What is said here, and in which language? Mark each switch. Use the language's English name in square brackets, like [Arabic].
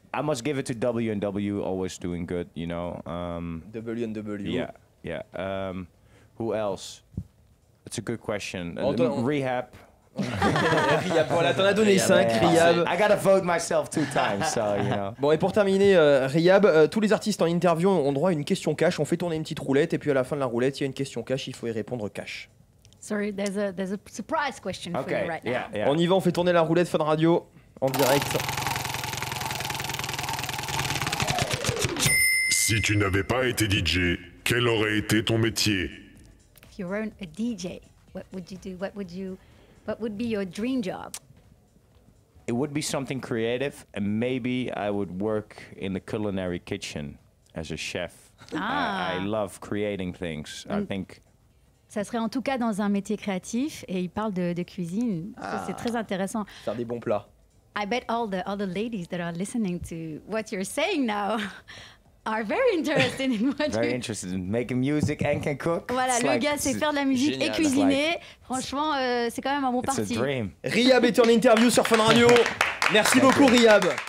[English] I must give it to W&W, always doing good. You know. W&W. Yeah. Yeah. Who else? It's a good question. Rehab. [French] T'en as donné 5, Rehab. [English] I gotta vote myself 2 times, so you know. [French] Bon, et pour terminer, Rehab, tous les artistes en interview ont droit à une question cash. On fait tourner une petite roulette, et puis à la fin de la roulette, il y a une question cash, il faut y répondre cash. [English] Sorry, there's a surprise question okay. for you right yeah, now. Yeah. [French] On y va, on fait tourner la roulette Fun Radio en direct. Si tu n'avais pas été DJ, quel aurait été ton métier? [English] You weren't a DJ, what would you do? What would be your dream job? It would be something creative, and maybe I would work in the culinary kitchen as a chef. I love creating things. I think. [French] Ça serait en tout cas dans un métier créatif, et il parle de cuisine. C'est très intéressant. Faire des bons plats. [English] I bet all the ladies that are listening to what you're saying now. Are very interested in what very interested in making music and can cook. [French] Voilà, [English] it's [French] le like, gars sait faire de la musique génial. Et cuisiner. Like, franchement, c'est quand même un bon parti. [English] It's a dream. [French] Riab est en interview sur Fun Radio. Merci beaucoup, Riab.